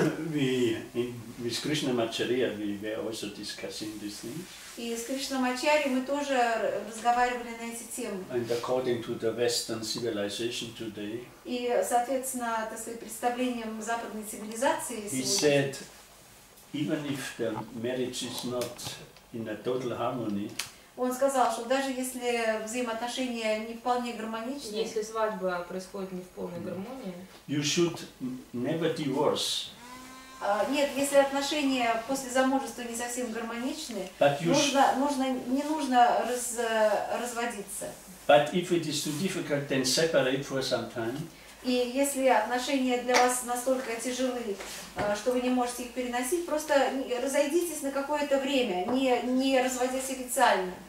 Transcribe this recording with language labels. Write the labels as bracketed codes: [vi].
[en] With Krishna Macharya, we were also discussing this thing. [ru] И с Кришна Мачари мы тоже разговаривали на эти темы. [en] And according to the Western civilization today. [ru] И соответственно, так сказать, представлениям западной цивилизации. [en] He said, even if the marriage is not in a total harmony. [ru] Он сказал, что даже если взаимоотношения не вполне гармоничны, если свадьба происходит не в полной гармонии, [en] you should never divorce. [ru] Нет, если отношения после замужества не совсем гармоничны, не нужно разводиться. [en] But if it is too difficult, then separate for some time. [ru] И если отношения для вас настолько тяжелы, что вы не можете их переносить, просто разойдитесь на какое-то время, не разводясь официально.